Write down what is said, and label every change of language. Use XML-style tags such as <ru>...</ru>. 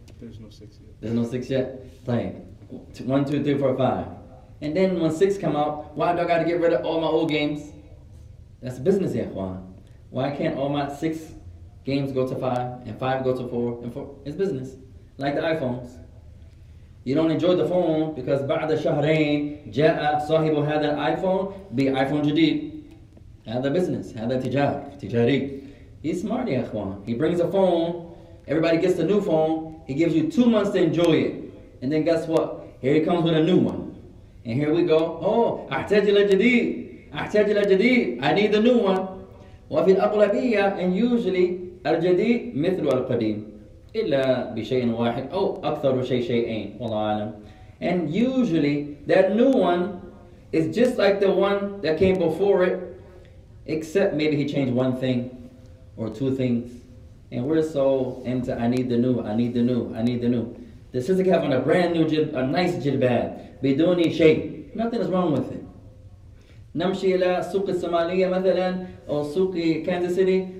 <en>There's no 6 yet. There's no 6 yet? Play. 1, 2, 3, 4, 5. And then when 6 come out, why do I gotta get rid of all my old games? That's business, yeah, Juan. Why can't all my 6 games go to 5 and 5 go to 4 and 4? It's business. Like the iPhones. You don't enjoy the phone because</en> <ar>بعد شهرين جاء صاحب هذا الآيفون بآيفون جديد.</ar> <en>Had the business, had the tijari. He's smart, ya akhwan. He brings a phone, everybody gets the new phone, he gives you 2 months to enjoy it. And then guess what? Here he comes with a new one. And here we go.</en> <ar>Oh, أحتاج إلى جديد.</ar> <en>I need the new one.</en> <ar>وفي الأغلبية,</ar> <en>and usually,</en> <ar>الجديد مثل القديم. إلا بشيء واحد. أو أكثر شيء شيئين. والله أعلم.</ar> <en>And usually, that new one is just like the one that came before it. Except maybe he changed one thing or two things. And we're so into I need the new. This is like having a brand new jib, a nice jilbab.</en> <ar>Biduni shay.</ar> <en>Nothing is wrong with it.</en> <ar>نمشي إلى سوق الصومالية مثلا أو سوق كانزاس سيتي.</ar>